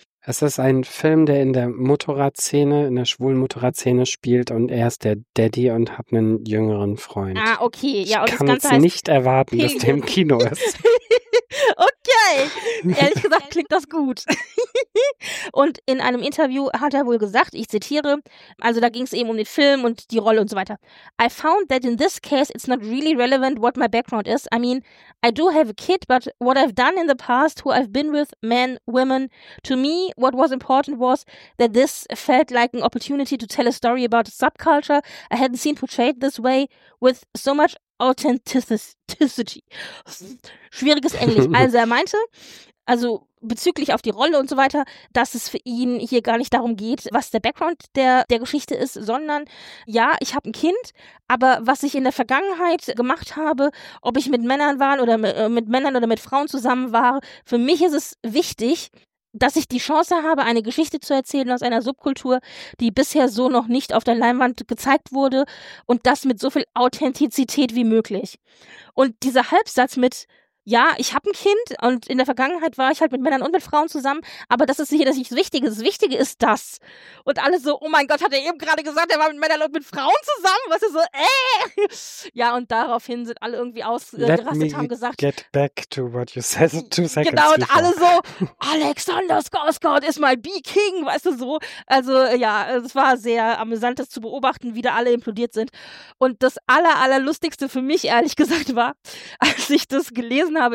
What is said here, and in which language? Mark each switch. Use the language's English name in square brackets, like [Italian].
[German] Es ist ein Film, der in der Motorradszene, in der schwulen Motorradszene spielt und er ist der Daddy und hat einen jüngeren Freund. Ah, okay. Ja, und ich kann es nicht erwarten, dass der im Kino ist. Okay. Ehrlich gesagt klingt das gut. Und in einem Interview hat er wohl gesagt, ich zitiere, also da ging es eben um den Film und die Rolle und so weiter. [English] I found that in this case it's not really relevant what my background is. I mean, I do have a kid, but what I've done in the past, who I've been with, men, women, to me, what was important was that this felt like an opportunity to tell a story about a subculture I hadn't seen portrayed this way with so much authenticity. [German] Schwieriges Englisch. Also er meinte, also bezüglich auf die Rolle und so weiter, dass es für ihn hier gar nicht darum geht, was der Background der Geschichte ist, sondern ja, ich habe ein Kind, aber was ich in der Vergangenheit gemacht habe, ob ich mit Männern war oder mit Männern oder mit Frauen zusammen war, für mich ist es wichtig, dass ich die Chance habe, eine Geschichte zu erzählen aus einer Subkultur, die bisher so noch nicht auf der Leinwand gezeigt wurde und das mit so viel Authentizität wie möglich. Und dieser Halbsatz mit, ja, ich habe ein Kind und in der Vergangenheit war ich halt mit Männern und mit Frauen zusammen, aber das ist hier das Wichtige. Das Wichtige ist das. Und alle so, oh mein Gott, hat er eben gerade gesagt, er war mit Männern und mit Frauen zusammen? Was ist so, Ja, und daraufhin sind alle irgendwie ausgerastet, haben gesagt. [English] Let me get back to what you said 2 seconds [German] genau, [English] before. [German] Und alle so, Alexander Skarsgård [English] is my B-King, [German] weißt du so. Also ja, es war sehr amüsant, das zu beobachten, wie da alle implodiert sind. Und das allerlustigste für mich, ehrlich gesagt, war, als ich das gelesen habe.